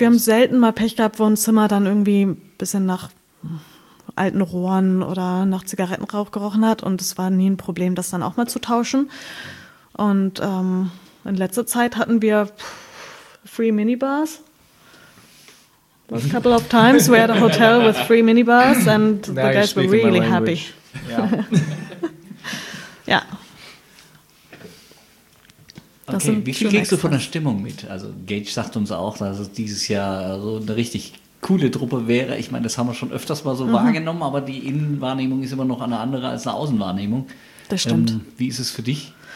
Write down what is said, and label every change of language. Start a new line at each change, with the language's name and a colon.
German: Wir haben selten mal Pech gehabt, wo ein Zimmer dann irgendwie ein bisschen nach alten Rohren oder nach Zigarettenrauch gerochen hat. Und es war nie ein Problem, das dann auch mal zu tauschen. Und in letzter Zeit hatten wir free Minibars.
English: A couple of times we had a hotel with free minibars and the guys were really happy. Yeah. Ja.
German: Okay, wie viel kriegst du von der Stimmung mit? Also Gage sagt uns auch, dass es dieses Jahr so eine richtig coole Truppe wäre. Ich meine, das haben wir schon öfters mal so wahrgenommen, aber die Innenwahrnehmung ist immer noch eine andere als eine Außenwahrnehmung. Das stimmt. Wie ist es für dich?